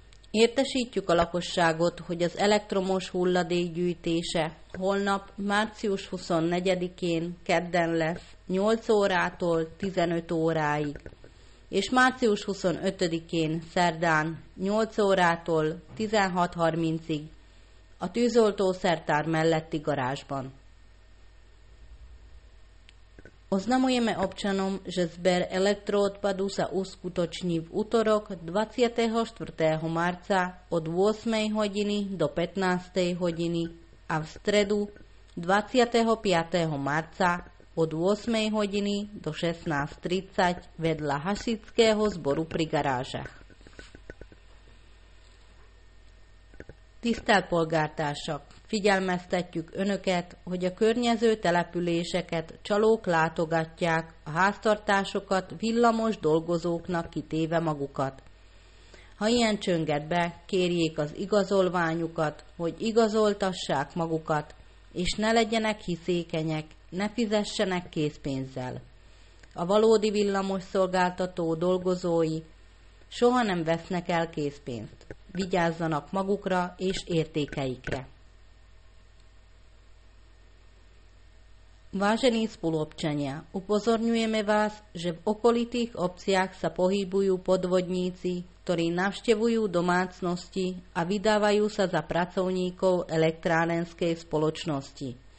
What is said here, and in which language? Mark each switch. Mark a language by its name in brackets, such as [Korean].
[Hungarian] Értesítjük a lakosságot, hogy az elektromos hulladék gyűjtése holnap március 24-én kedden lesz 8 órától 15 óráig, és március 25-én szerdán 8 órától 16:30-ig a tűzoltó szertár melletti garázsban. [Slovak] Oznamujeme občanom, že zber elektroodpadu sa uskutoční v útorok 24. marca od 8. hodiny do 15. hodiny a v stredu 25. marca od 8. hodiny do 16:30 vedľa hasičského zboru pri garážach. [Hungarian] Tisztelt polgártársak! Figyelmeztetjük Önöket, hogy a környező településeket csalók látogatják, a háztartásokat villamos dolgozóknak kitéve magukat. Ha ilyen csönget be, kérjék az igazolványukat, hogy igazoltassák magukat, és ne legyenek hiszékenyek, ne fizessenek készpénzzel. A valódi villamos szolgáltató dolgozói soha nem vesznek el készpénzt. Vigyázzanak magukra és értékeikre. [Slovak] Vážení spoluobčania, upozorňujeme vás, že v okolitých obciach sa pohybujú podvodníci, ktorí navštevujú domácnosti a vydávajú sa za pracovníkov elektrárenskej spoločnosti.